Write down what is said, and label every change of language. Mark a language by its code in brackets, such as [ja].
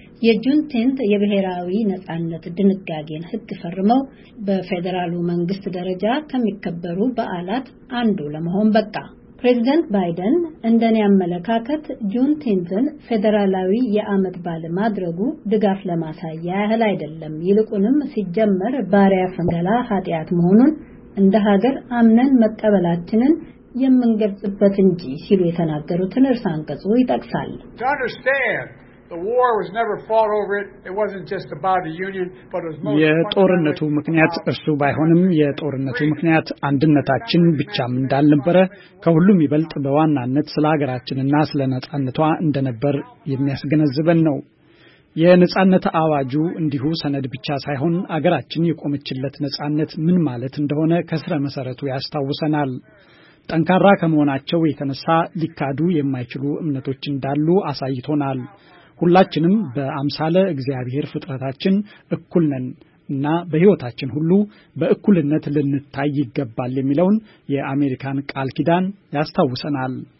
[am] የጁንቲንዝ የብሔራዊ ነጻነት ድንጋጌን ህግ ፈርመው በፌደራሉ መንግስት ደረጃ ከሚከበሩ በዓላት አንዱ ለመሆን በቃ። ፕሬዚዳንት ባይደን እንደኔ አመለካከት ጁንቲንዝን ፌደራላዊ የአመት በዓል ማድረጉ ድጋፍ ለማሳያ ያህል አይደለም፣ ይልቁንም ሲጀመር ባሪያ ፈንገላ ኃጢአት መሆኑን እንደ ሀገር አምነን መቀበላችንን የምንገልጽበት እንጂ ሲሉ የተናገሩትን ርዕሰ አንቀጹ ይጠቅሳል። [en] To understand, the war was never fought over it. It wasn't just about the Union, but it was mostly [am] የጦርነቱ ምክንያት እርሱ ባይሆንም የጦርነቱ ምክንያት አንድነታችን ብቻም እንዳልነበረ ከሁሉም ይበልጥ በዋናነት ስለ ሀገራችንና ስለ ነጻነቷ እንደነበር የሚያስገነዝበን ነው። የነጻነት አዋጁ እንዲሁ ሰነድ ብቻ ሳይሆን አገራችን የቆመችለት ነጻነት ምን ማለት እንደሆነ ከስረ መሰረቱ ያስታውሰናል። ጠንካራ ከመሆናቸው የተነሳ ሊካዱ የማይችሉ እምነቶች እንዳሉ አሳይቶናል። ሁላችንም በአምሳለ እግዚአብሔር ፍጥረታችን እኩል ነን እና በሕይወታችን ሁሉ በእኩልነት ልንታይ ይገባል የሚለውን የአሜሪካን ቃል ኪዳን ያስታውሰናል።